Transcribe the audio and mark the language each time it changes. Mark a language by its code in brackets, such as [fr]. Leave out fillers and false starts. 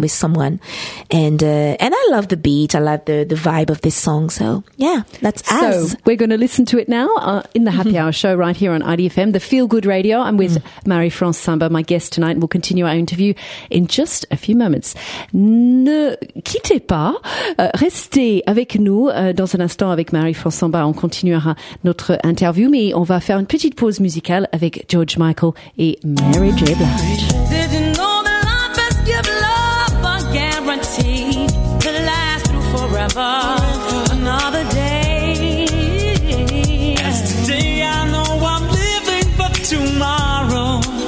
[en] with someone, and I love the beat. I love the vibe of this song. So yeah, that's so As. We're going to listen to it now in the Happy Hour show right here on IDFM, the Feel Good Radio. I'm with Marie-France Samba, my guest tonight, and we'll continue our interview in just a few moments. [fr] Ne quittez pas, restez avec nous dans un instant avec Marie-France Samba. On continuera notre interview, mais on va faire une petite pause musicale avec George Michael et Mary J. [en] Did you know that life is give love a guarantee to last through forever? Another day. As today I know I'm living for tomorrow.